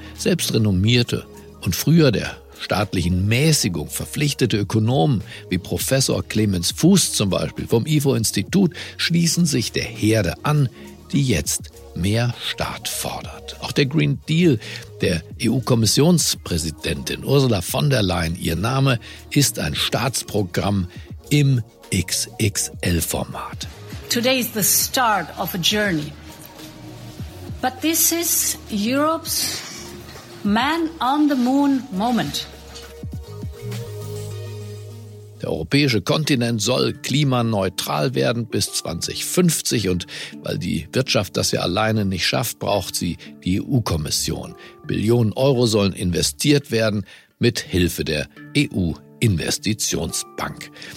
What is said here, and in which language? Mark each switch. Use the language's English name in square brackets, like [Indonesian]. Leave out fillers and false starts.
[German] Selbst renommierte und früher der staatlichen Mäßigung verpflichtete Ökonomen wie Professor Clemens Fuß zum Beispiel vom IFO-Institut schließen sich der Herde an, die jetzt mehr Staat fordert. Auch der Green Deal der EU-Kommissionspräsidentin Ursula von der Leyen, ihr Name, ist ein Staatsprogramm im XXL-Format. [English] Today is the start of a journey. But this is Europe's Man on the Moon Moment. [German] Der europäische Kontinent soll klimaneutral werden bis 2050 und weil die Wirtschaft das ja alleine nicht schafft, braucht sie die EU-Kommission. Billionen Euro sollen investiert werden mit Hilfe der EU-Investitionsbank.